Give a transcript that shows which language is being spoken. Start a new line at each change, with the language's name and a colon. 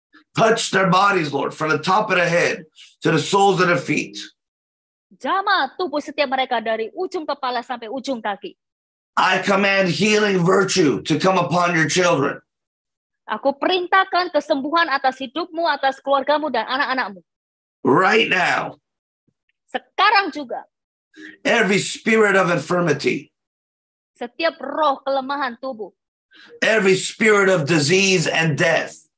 English: Touch their bodies, Lord, from the top of the head to the soles of their feet.
Indonesian: Jamah tubuh setiap mereka dari ujung kepala sampai ujung kaki.
English: I command healing virtue to come upon your children.
Indonesian: Aku perintahkan kesembuhan atas hidupmu, atas keluargamu dan anak-anakmu.
English: Right now.
Indonesian: Sekarang juga.
English: Every spirit of infirmity.
Indonesian: Setiap roh kelemahan tubuh.
English: Every spirit of disease and death.